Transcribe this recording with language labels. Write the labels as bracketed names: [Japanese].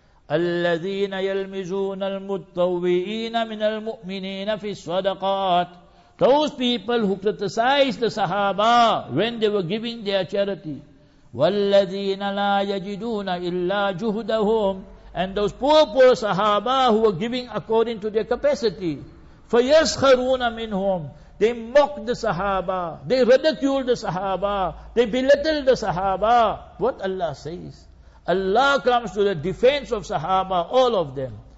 [Arabic] الذين يلمزون المتطوعين من المؤمنين في الصدقات. [English] Those people who criticize the Sahaba when they were giving their charity. [Arabic] والذين لا يجدون إلا جهدهم. [English] And those poor Sahaba who were giving according to their capacity. [Arabic] فيسخرون منهم. [English] They mock the Sahaba. They ridicule the Sahaba. They belittle the Sahaba. What Allah says? Allah comes to the defense of Sahaba, all of them.